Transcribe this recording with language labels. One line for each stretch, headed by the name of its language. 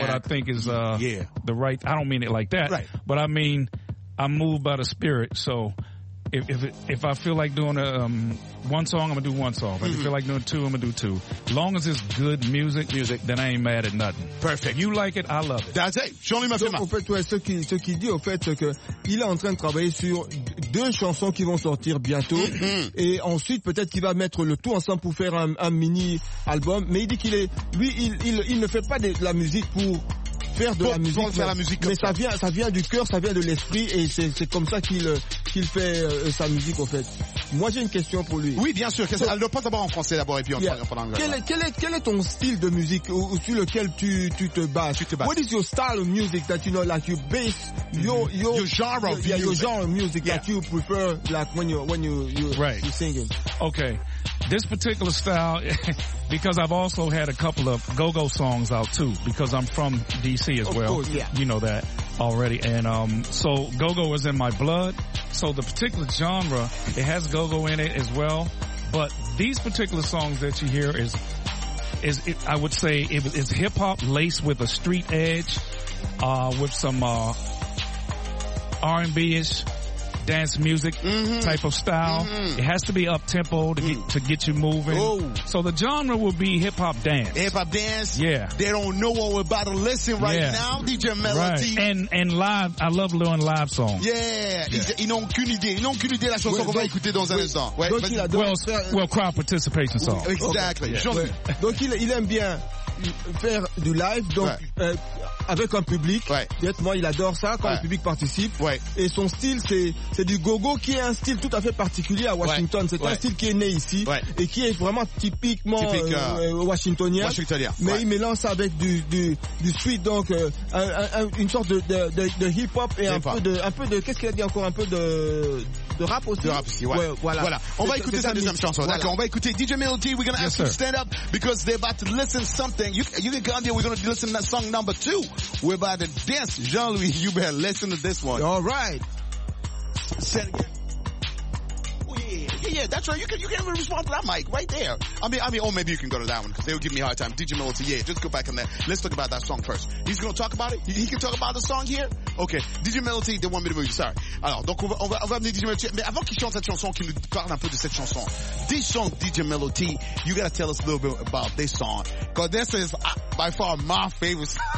English: And what I think is, the right, I don't mean it like that. Right. But I mean, I'm moved by the spirit, so. If I feel like doing one song, I'm going to do one song. If I feel like doing two, I'm going to do two. As long as it's good music, then I ain't mad at nothing. Perfect. You like it, I love it. That's it. Show me my film.
French: En fait, ouais, ce qui dit, au fait, c'est qu'il est en train de travailler sur deux chansons qui vont sortir bientôt. Mm-hmm. Et ensuite, peut-être qu'il va mettre le tout ensemble pour faire un mini-album. Mais il dit qu'il est... Lui, il ne fait pas de la musique pour... faire la musique, ça vient du cœur, ça vient de l'esprit, et c'est comme ça qu'il fait sa musique, en fait. Moi, j'ai une question pour lui. Oui, bien sûr. Elle ne passe d'abord en français d'abord et puis en anglais. Quel est ton style de musique sur lequel tu te bases?
English: What is your style of music that you know, like you base your genre of music that you prefer, like when you singing? Okay. This particular style, because I've also had a couple of go-go songs out too, because I'm from D.C. as well. Of course, yeah. You know that already. And so go-go is in my blood. So the particular genre, it has go-go in it as well. But these particular songs that you hear is hip-hop laced with a street edge, with some R&B-ish. Dance music type of style. Mm-hmm. It has to be up tempo to get you moving. Ooh. So the genre will be hip hop dance. Hip hop dance. Yeah. They don't know what we're about to listen right now, DJ Melody. Right. And live. I love doing live songs. Yeah.
French: Ils n'ont qu'une idée. Ils n'ont qu'une idée la chanson qu'on va écouter dans un instant.
English: Well, crowd participation song. Exactly.
French: Donc il aime bien. faire du live, donc ouais. Avec un public. Honnêtement, ouais. Il adore ça quand ouais. le public participe. Ouais. Et son style, c'est du gogo, qui est un style tout à fait particulier à Washington. Ouais. C'est ouais. un style qui est né ici ouais. et qui est vraiment typiquement washingtonien. Mais ouais. il mélange ça avec du sweet, donc une sorte de hip hop et un peu de qu'est-ce qu'il a dit encore, un peu de rap aussi. De rap aussi. Ouais. Ouais, voilà. Voilà. On va écouter sa deuxième chanson. Voilà. D'accord. On va écouter DJ Melody.
English: We're gonna ask you to stand up because they're about to listen something. You can come here. We're gonna listen to song number two. We're about to dance. Jean-Louis, you better listen to this one. All right. Say it again. Yeah, that's right. You can even respond to that mic right there. I mean, maybe you can go to that one because they'll give me a hard time. DJ Melody, yeah, just go back in there. Let's talk about that song first. He's gonna talk about it. He can talk about the song here. Okay, DJ Melody, they want me to move. Sorry.
French: Alors, donc on va venir DJ Melody. Mais avant qu'il chante cette chanson, qu'il nous parle un peu de cette chanson.
English: This song, DJ Melody, you gotta tell us a little bit about this song because this is by far my favorite.